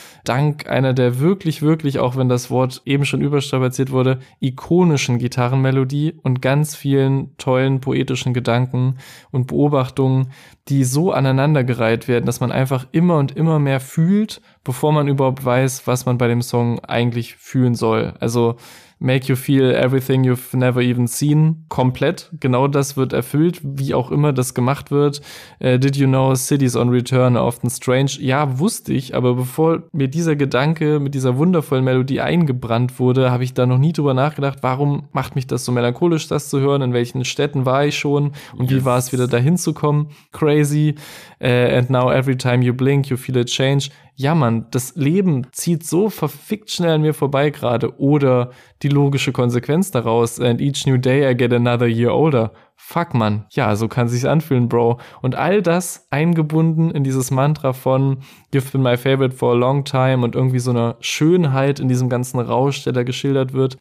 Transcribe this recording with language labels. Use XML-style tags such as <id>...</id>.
<de>Dank einer der wirklich, wirklich, auch wenn das Wort eben schon überstrapaziert wurde, ikonischen Gitarrenmelodie und ganz vielen tollen poetischen Gedanken und Beobachtungen, die so aneinandergereiht werden, dass man einfach immer und immer mehr fühlt, bevor man überhaupt weiß, was man bei dem Song eigentlich fühlen soll.</de> <en>Also Make You Feel Everything You've Never Even Seen, komplett.</en> <de>Genau das wird erfüllt, wie auch immer das gemacht wird.</de> <en>Did You Know Cities on Return are Often Strange?</en> <de>Ja, wusste ich, aber bevor mir dieser Gedanke mit dieser wundervollen Melodie eingebrannt wurde, habe ich da noch nie drüber nachgedacht, warum macht mich das so melancholisch, das zu hören, in welchen Städten war ich schon und yes, wie war es wieder dahin zu kommen?</de> <en>Crazy. And now every time you blink, you feel a change.</en> <de>Ja, Mann, das Leben zieht so verfickt schnell an mir vorbei gerade. Oder die logische Konsequenz daraus.</de> <en>And each new day I get another year older.</en> <de>Fuck, Mann. Ja, so kann es sich anfühlen, Bro. Und all das eingebunden in dieses Mantra von</de> <en>You've been my favorite for a long time</en> <de>und irgendwie so eine Schönheit in diesem ganzen Rausch, der da geschildert wird.</de>